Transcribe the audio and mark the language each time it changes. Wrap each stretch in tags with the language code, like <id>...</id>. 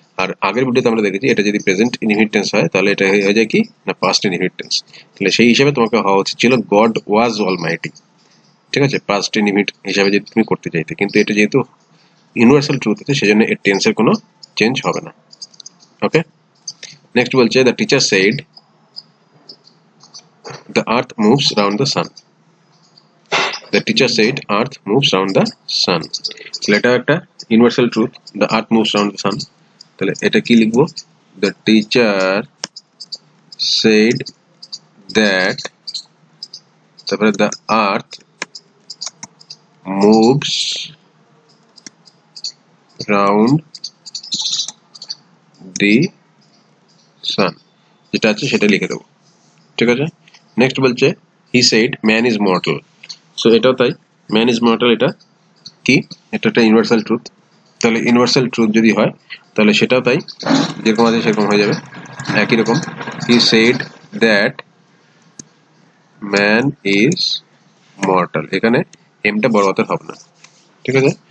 <bn>আর আগের ভিডিওতে আমরা দেখেছি এটা যদি প্রেজেন্ট ইনডিফিনিট টেন্স হয় তাহলে এটা হয়ে যায় কি না পাস্ট ইনডিফিনিট টেন্স, তাহলে সেই হিসাবে তোমাকে হওয়া উচিত ছিল</bn> <en>God was almighty.</en> <bn>ঠিক আছে, পাস্ট ইনডিফিনিট হিসাবে যদি তুমি করতে চাইতে, কিন্তু এটা যেহেতু ইউনিভার্সাল ট্রুথ আছে সেজন্য এর টেন্সের কোনো চেঞ্জ হবে না। ওকে,</bn> <en>Next</en> <bn>বলছে</bn> <en>the teacher said the earth moves round the sun. The teacher said earth moves round the sun. এটা একটা universal truth, the earth moves round the sun.</en> <bn>তাহলে এটা কি লিখবো?</bn> <en>The teacher said that তারপরে the earth moves round the sun.</en> <bn>যেটা আছে সেটা লিখে দেবো, ঠিক আছে? Next বলছে</bn> <en>he said man is mortal.</en> <bn>So এটাও তাই,</bn> <en>man is mortal</en> <bn>এটা কি? এটা একটা ইউনিভার্সাল ট্রুথ। তাহলে ইউনিভার্সাল ট্রুথ যদি হয় তাহলে সেটাও তাই, যেরকম আছে সেরকম হয়ে যাবে, একই রকম।</bn> <en>he said that man is mortal,</en> <bn>এখানে এমটা বড় হাতের হবে না, ঠিক আছে?</bn>